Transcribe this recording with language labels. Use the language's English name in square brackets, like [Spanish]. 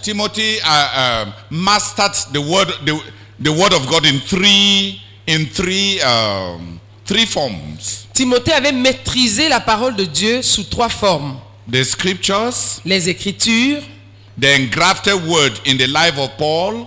[English] Timothy mastered the word of God in three forms. [French] Timothée avait maîtrisé la parole de Dieu sous trois formes. [English] The scriptures, [French] les écritures, [English] the engrafted word in the life of Paul,